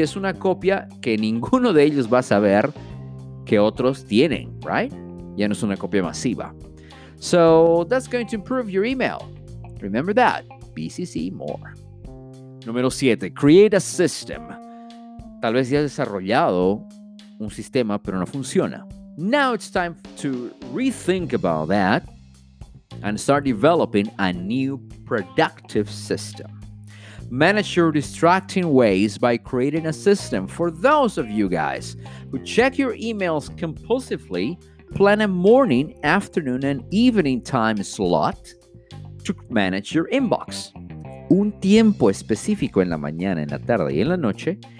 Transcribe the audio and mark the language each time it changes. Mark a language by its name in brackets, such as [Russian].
[Spanish] Es una copia que ninguno de ellos va a saber que otros tienen, [English] right? [Spanish] Ya no es una copia masiva. [English] So that's going to improve your email. Remember that. BCC more. [Spanish] Número 7. [English] Create a system. [Spanish] Tal vez ya has desarrollado un sistema, pero no funciona. [English] Now it's time to rethink about that and start developing a new productive system. Manage your distracting ways by creating a system for those of you guys who check your emails compulsively, plan a morning, afternoon, and evening time slot to manage your inbox. [Spanish] Un tiempo específico en la mañana, en la tarde y en la noche